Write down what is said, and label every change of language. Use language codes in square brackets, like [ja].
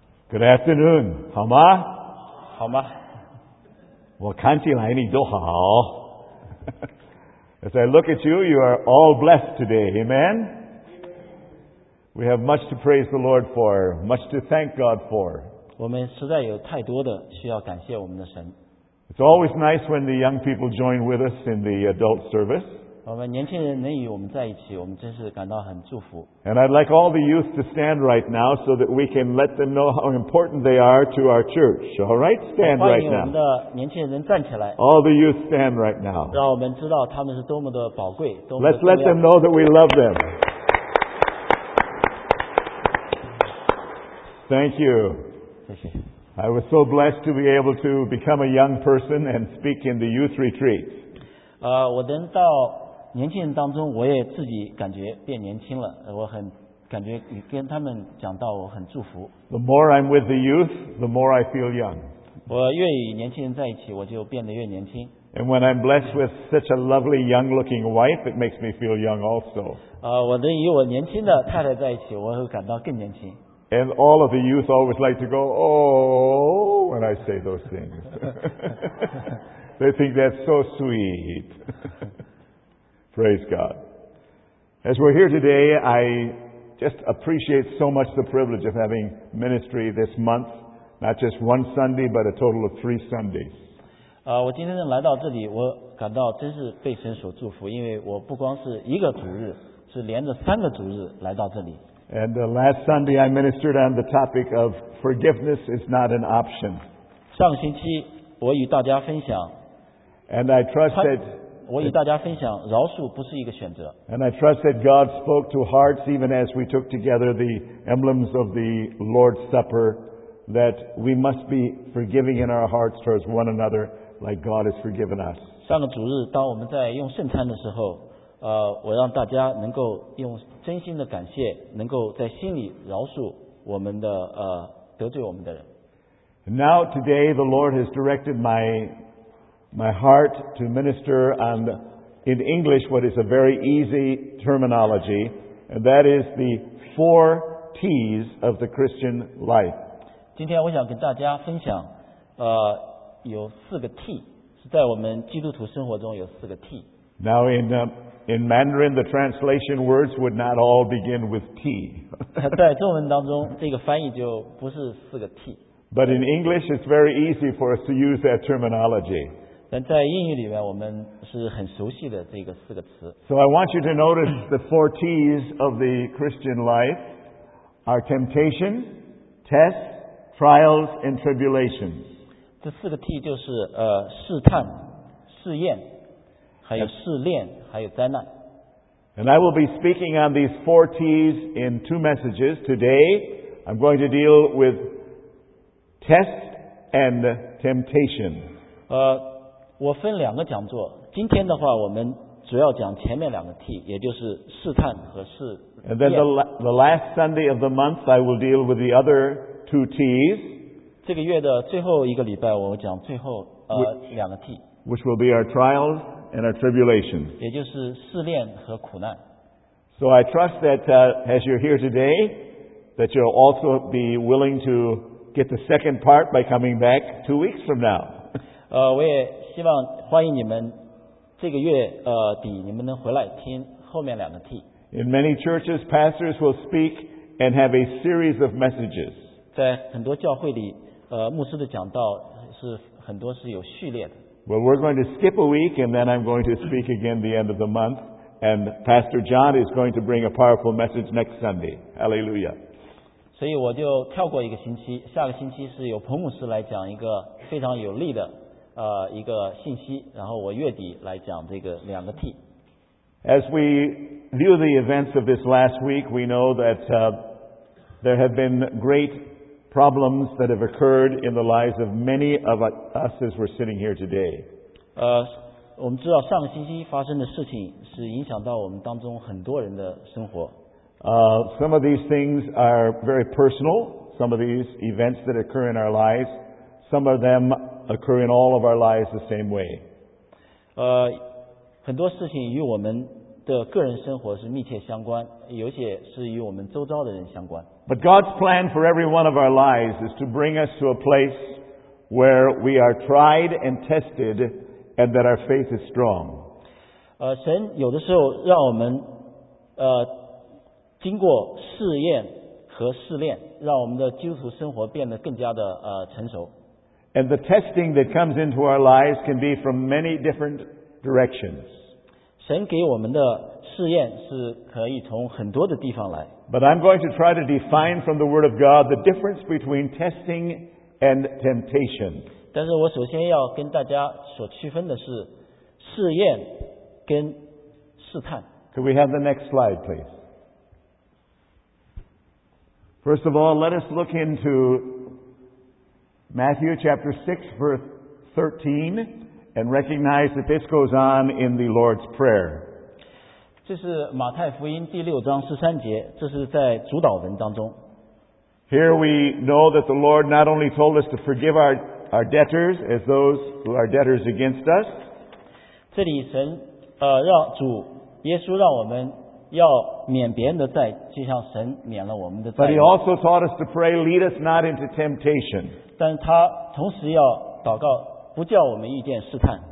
[en] Good afternoon, [zh] 好吗？好吗？我看起来你都好。 [en] As I look at you, you are all blessed today. Amen? We have much to praise the Lord for, much to thank God for. [zh] 我们实在有太多的需要感谢我们的神。 [en] It's always nice when the young people join with us in the adult service. [zh] 我们年轻人能与我们在一起，我们真是感到很祝福。 [en] And I'd like all the youth to stand right now so that we can let them know how important they are to our church. All right, stand right now. [zh] 欢迎我们的年轻人站起来。 [en] All the youth stand right now. [zh] 让我们知道他们是多么的宝贵，多么的重要。 [en] Let's let them know that we love them. Thank you. [zh] 谢谢。 [en] I was so blessed to be able to become a young person and speak in the youth retreat. [zh] 我能到年轻人当中，我也自己感觉变年轻了。我很感觉跟他们讲到，我很祝福。 [en] The more I'm with the youth, the more I feel young. [zh] 我越与年轻人在一起，我就变得越年轻。 [en] And when I'm blessed with such a lovely young-looking wife, it makes me feel young also. [zh] 我能与我年轻的太太在一起，我会感到更年轻。 [en] And all of the youth always like to go, oh, when I say those things. They think that's so sweet. Praise God. As we're here today, I just appreciate so much the privilege of having ministry this month, not just one Sunday, but a total of three Sundays. [zh] 我今天来到这里，我感到真是被神所祝福，因为我不光是一个主日，是连着三个主日来到这里。 [en] And the last Sunday I ministered on the topic of forgiveness is not an option. [zh] 上星期我与大家分享。 [en] And I trust that [zh] 我与大家分享，饶恕不是一个选择。 [en] And I trust that God spoke to hearts even as we took together the emblems of the Lord's Supper, that we must be forgiving in our hearts towards one another like God has forgiven us. [zh] 上个主日，当我们在用圣餐的时候，我让大家能够用真心的感谢，能够在心里饶恕我们的得罪我们的人。 [en] Now today, the Lord has directed my heart to minister on, in English, what is a very easy terminology, and that is the four T's of the Christian life. [zh] 今天我想跟大家分享，有四个 T, 是在我们基督徒生活中有四个 T. [en] Now in Mandarin, the translation words would not all begin with T. [zh] 在中文当中，这个翻译就不是四个 T. [en] But in English, it's very easy for us to use that terminology. [zh] 但在英语里面，我们是很熟悉的这个四个词。 [en] So I want you to notice the four T's of the Christian life are temptation, test, trials, and tribulations. [zh] 这四个 T 就是试探、试验、还有试炼、还有灾难。 [en] And I will be speaking on these four T's in two messages today. I'm going to deal with test and temptation. [zh] 我分两个讲座，今天的话我们主要讲前面两个 T, 也就是试探和试验。 [en] And then the last Sunday of the month, I will deal with the other two T's. [zh] 这个月的最后一个礼拜我讲最后两个 T. [en] Which will be our trials and our tribulations. [zh] 也就是试炼和苦难。 [en] So I trust that as you're here today, that you'll also be willing to get the second part by coming back 2 weeks from now. [zh] 我也希望欢迎你们这个月底你们能回来听后面两个 T. [en] In many churches, pastors will speak and have a series of messages. [zh] 在很多教会里，牧师的讲道是很多是有序列的。 [en] Well, we're going to skip a week, and then I'm going to speak again the end of the month. And Pastor John is going to bring a powerful message next Sunday. Hallelujah. [zh] 所以我就跳过一个星期，下个星期是由彭牧师来讲一个非常有力的。一个信息，然后我月底来讲这个两个 T. [en] As we view the events of this last week, we know that there have been great problems that have occurred in the lives of many of us as we're sitting here today. [zh] 我们知道上个星期发生的事情是影响到我们当中很多人的生活。 [en] Some of these things are very personal. Some of these events that occur in our lives, some of them occur in all of our lives the same way. [zh] 很多事情与我们的个人生活是密切相关，有些是与我们周遭的人相关。 [en] But God's plan for every one of our lives is to bring us to a place where we are tried and tested and that our faith is strong. [zh] 神有的时候让我们经过试验和试炼，让我们的基督徒生活变得更加的成熟。 [en] And the testing that comes into our lives can be from many different directions. [zh] 神给我们的试验是可以从很多的地方来。 [en] But I'm going to try to define from the Word of God the difference between testing and temptation. [zh] 但是我首先要跟大家所区分的是试验跟试探。 [en] Could we have the next slide, please? First of all, let us look into Matthew chapter 6, verse 13, and recognize that this goes on in the Lord's Prayer. [zh] 这是马太福音第六章十三节，这是在主导文当中。 [en] Here we know that the Lord not only told us to forgive our debtors as those who are debtors against us. [zh] 这里神让主耶稣让我们要免别人的债，就像神免了我们的债。 [en] But he also taught us to pray, lead us not into temptation. [zh] 但他同时要祷告，不叫我们遇见试探。